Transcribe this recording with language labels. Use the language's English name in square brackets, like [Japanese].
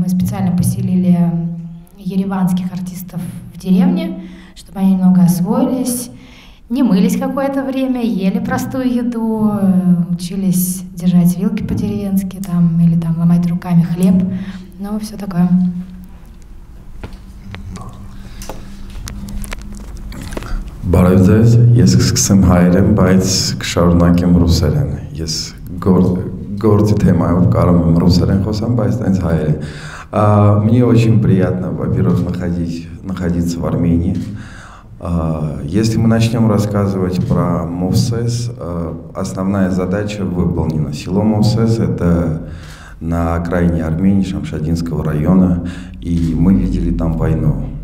[Russian] Мы специально поселили ереванских артистов в деревне, чтобы они немного освоились, не мылись какое-то время, ели простую еду, учились держать вилки по-деревенски там, или там ломать руками хлеб, ну все такое. [Armenian] Բարև ձեզ, ես սկսեմ հայերեն, բայց կշարունակեմ ռուսերեն, ես գործի թեմայով կարող եմ ռուսերեն խոսեմ, բայց այնց հայերեն. [Russian] Мне очень приятно, во-первых, находиться в Армении. Если мы начнем рассказывать про Мавсес, основная задача выполнена. Село Мавсес – это на окраине Армении, Шамшадинского района, и мы видели там войну.